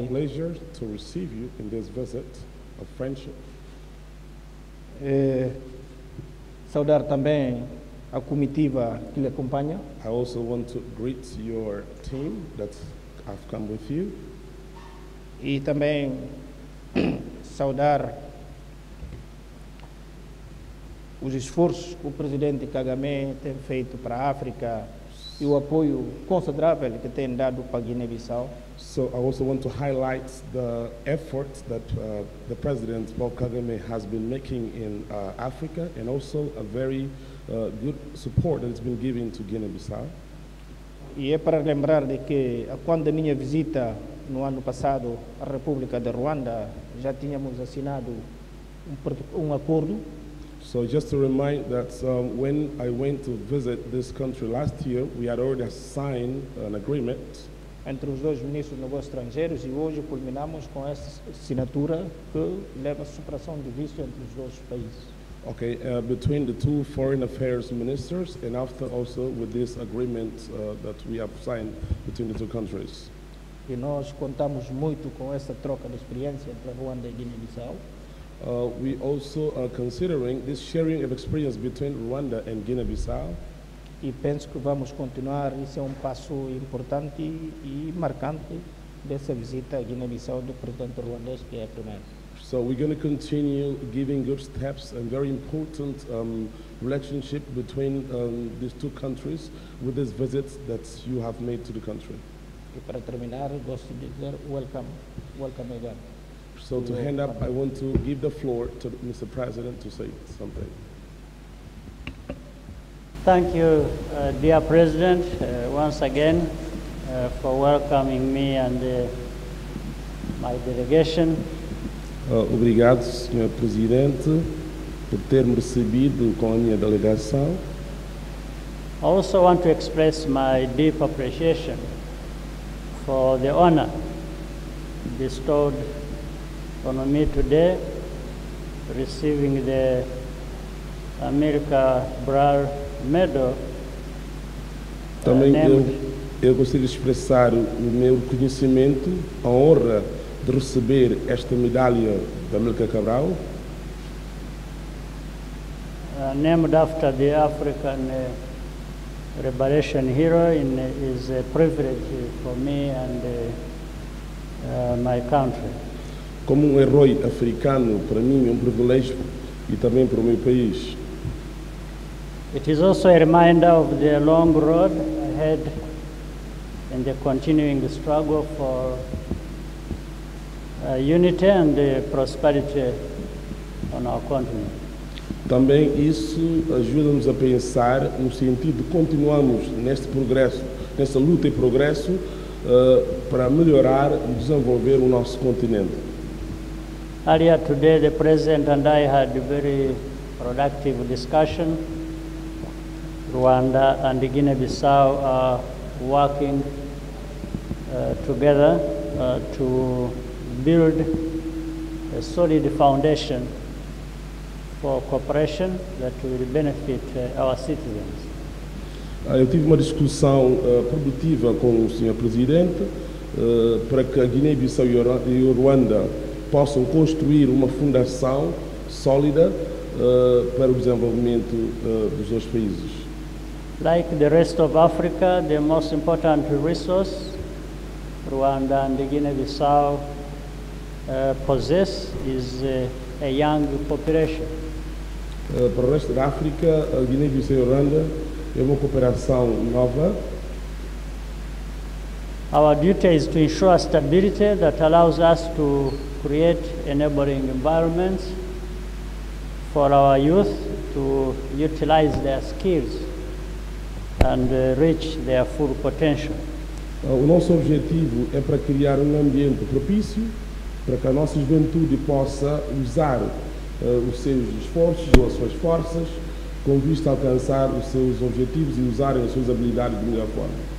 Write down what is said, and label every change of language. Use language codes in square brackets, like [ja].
[en] I have a pleasure to receive you in this visit of friendship. [pt] Saudar também a comitiva que lhe acompanha. [en] I also want to greet your team that have come with you. [pt] E também saudar os esforços que o presidente Kagame tem feito para a África e o apoio considerável que tem dado para Guiné-Bissau. [en] So I also want to highlight the effort that the president Paul Kagame has been making in Africa and also a very good support that has been given to Guiné-Bissau. [pt] E é para lembrar de que quando a minha visita no ano passado à República de Ruanda já tínhamos assinado um acordo. [en] So just to remind that when I went to visit this country last year, we had already signed an agreement [pt] entre os dois ministros de negócios estrangeiros e hoje culminamos com essa assinatura que leva à superação de visto entre os dois países. [en] Okay, between the two foreign affairs ministers and after also with this agreement that we have signed between the two countries. [pt] E nós contamos muito com essa troca de experiência entre Ruanda e Guiné-Bissau. [en] We also are considering this sharing of experience between Rwanda and Guinea-Bissau. [pt] E penso que vamos continuar, isso é passo importante e marcante dessa visita à Guiné-Bissau do presidente ruandês, que é a primeira. [en] So we're going to continue giving good steps and very important relationship between these two countries with this visit that you have made to the country. [pt] E para terminar, gosto de dizer [en] welcome again. So to hand up, I want to give the floor to Mr. President to say something. Thank you, dear President, once again for welcoming me and my delegation. [pt] Obrigado, Sr. Presidente, por ter-me recebido com a minha delegação. [en] I also want to express my deep appreciation for the honor bestowed on me today, receiving the America Brawl Medal. [pt] Também eu gostaria de expressar o meu reconhecimento, a honra de receber esta medalha da América Cabral. [en] Named after the African Liberation Hero, and is a privilege for me and my country. [pt] Como herói africano, para mim é privilégio e também para o meu país. [en] It is also a reminder of the long road ahead and the continuing struggle for unity and prosperity on our continent. [pt] Também isso ajuda-nos a pensar no sentido de continuarmos neste progresso, nessa luta e progresso para melhorar e desenvolver o nosso continente. [en] Earlier today, the President and I had a very productive discussion. Rwanda and Guinea-Bissau are working together to build a solid foundation for cooperation that will benefit our citizens. [pt] Eu tive uma discussão produtiva com o Sr. Presidente para que a Guiné-Bissau e o Rwanda possam construir uma fundação sólida para o desenvolvimento dos dois países. [en] Like the rest of Africa, the most important resource Rwanda and Guinea-Bissau possess is a young population. [pt] Para o resto da África, a Guiné-Bissau e a Rwanda é uma cooperação nova. [en] Our duty is to ensure stability that allows us to create enabling environments for our youth to utilize their skills and reach their full potential. [pt] O nosso objetivo é para criar ambiente propício para que a nossa juventude possa usar os seus esforços ou as suas forças com vista a alcançar os seus objetivos e usarem as suas habilidades de melhor forma.